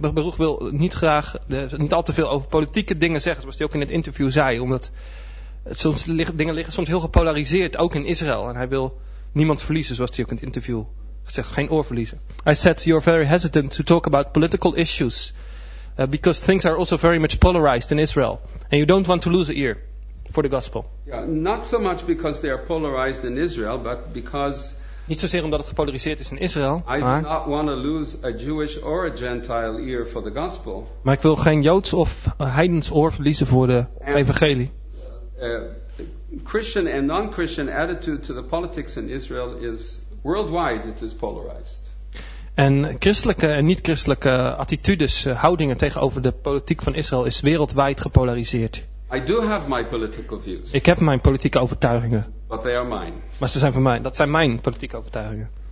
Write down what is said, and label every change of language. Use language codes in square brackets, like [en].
[nl] Baruch wil niet graag, niet al te veel over politieke dingen zeggen, zoals hij ook in het interview zei, omdat dingen liggen soms heel gepolariseerd, ook in Israël. En hij wil niemand verliezen, zoals hij ook in het interview zegt, geen oor verliezen. [en] I said you're very hesitant to talk about political issues because things are also very much polarized in Israel, and you don't want to lose an ear for the gospel. Yeah, not so much because they are polarized in Israel, but because... [nl] Niet zozeer omdat het gepolariseerd is in Israël, [en] maar... I do not want to lose a Jewish or a Gentile ear for the gospel. [nl] Maar ik wil geen Joods of heidens oor verliezen voor de evangelie. [en] Christian and non-Christian attitude to the politics in Israel is worldwide, it is polarized. [nl] En christelijke en niet-christelijke attitudes, houdingen tegenover de politiek van Israël is wereldwijd gepolariseerd. [en] I do have my political views. [nl] Ik heb mijn politieke overtuigingen. [en] But they are mine. [nl] Maar ze zijn van mij. Dat zijn mijn politieke overtuigingen.